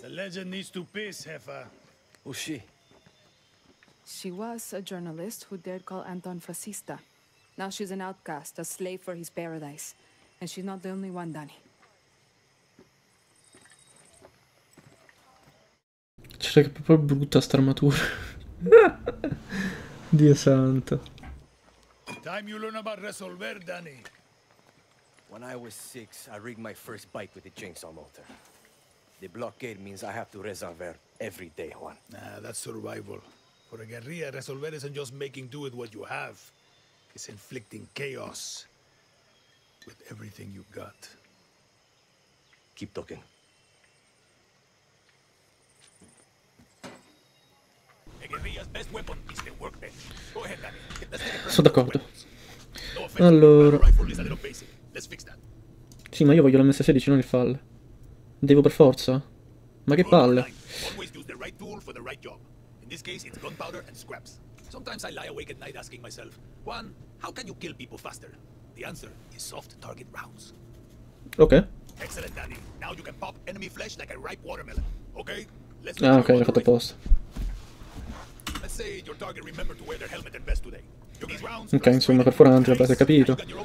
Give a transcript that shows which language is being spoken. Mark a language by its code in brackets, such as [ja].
[en] The legend needs to piss, Heffa. Who's she? She was a journalist who dared call Anton fascista. Now she's an outcast, a slave for his paradise. And she's not the only one, Danny. [it] C'era che proprio brutta st'armatura. Dio santo. [en] Time you learn about Resolver, Danny. When I was 6, I rigged my first bike with a chainsaw motor. The blockade means I have to resolver every day, Juan. Nah, that's survival. For a guerrilla, resolver isn't just making do with what you have. It's inflicting chaos with everything you've got. Keep talking. A guerrilla's best weapon is the workbench. Go ahead, Danny. [it] Sono d'accordo. Allora... [en] Let's fix that. [it] Sì, ma io voglio la MS-16, non il FAL. Devo per forza? Ma che palle? [en] Always use the right tool for the right job. In this case, it's gunpowder and scraps. Sometimes I lie awake at night asking myself, Juan, how can you kill people faster? The answer is soft target rounds. Okay. Excellent, Danny. Now you can pop enemy flesh like a ripe watermelon. Okay? Let's go. [it] Ah, okay, l'ho fatto apposta. [en] Let's say your target remembered to wear their helmet and vest today. [it] Ok, insomma, perforante, vabbè, si è capito.